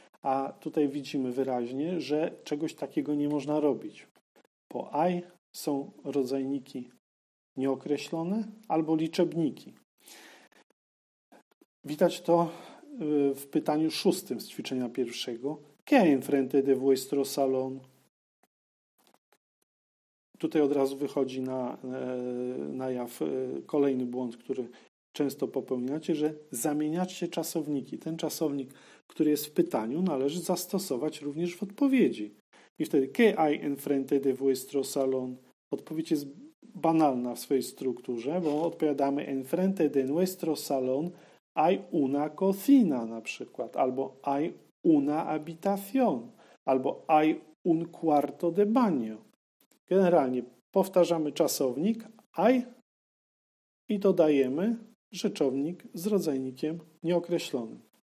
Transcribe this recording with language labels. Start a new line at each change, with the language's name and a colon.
Polish: A tutaj widzimy wyraźnie, że czegoś takiego nie można robić. Po I są rodzajniki nieokreślone albo liczebniki. Widać to w pytaniu szóstym z ćwiczenia pierwszego.
Spanish: ¿Qué hay enfrente de vuestro salón?
Polish: Tutaj od razu wychodzi na jaw kolejny błąd, który często popełniacie, że zamieniacie czasowniki. Ten czasownik, który jest w pytaniu, należy zastosować również w odpowiedzi. I wtedy
Spanish: ¿Qué hay enfrente de vuestro salón?
Polish: Odpowiedź jest banalna w swojej strukturze, bo odpowiadamy
Spanish: enfrente de nuestro salón hay una cocina
Polish: na przykład, albo
Spanish: hay una habitación,
Polish: albo
Spanish: hay un cuarto de baño.
Polish: Generalnie powtarzamy czasownik hay i dodajemy rzeczownik z rodzajnikiem nieokreślonym.